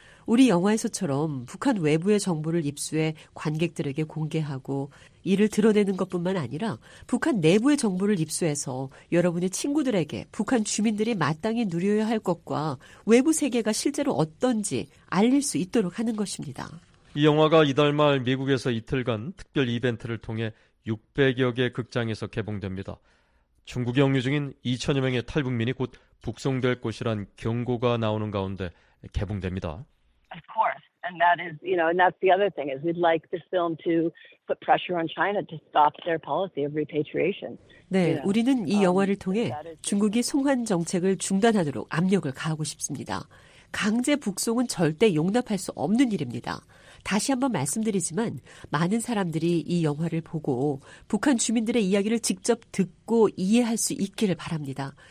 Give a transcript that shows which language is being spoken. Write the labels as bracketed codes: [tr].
[ko] 우리 영화에서처럼 북한 외부의 정보를 입수해 관객들에게 공개하고 이를 드러내는 것뿐만 아니라 북한 내부의 정보를 입수해서 여러분의 친구들에게 북한 주민들이 마땅히 누려야 할 것과 외부 세계가 실제로 어떤지 알릴 수 있도록 하는 것입니다. 이 영화가 이달 말 미국에서 이틀간 특별 이벤트를 통해 600여 개 극장에서 개봉됩니다. 중국 영유 중인 2천여 명의 탈북민이 곧 북송될 곳이란 경고가 나오는 가운데 개봉됩니다. [en] Of course. And that is, you know, and that's the other thing is we'd like this film to put pressure on China to stop their policy of repatriation. [ko] 네, [en] you know? [ko] 우리는 이 영화를 통해 중국이 송환 정책을 중단하도록 압력을 가하고 싶습니다. 강제 북송은 절대 용납할 수 없는 일입니다. 다시 한번 말씀드리지만 많은 사람들이 이 영화를 보고 북한 주민들의 이야기를 직접 듣고 이해할 수 있기를 바랍니다.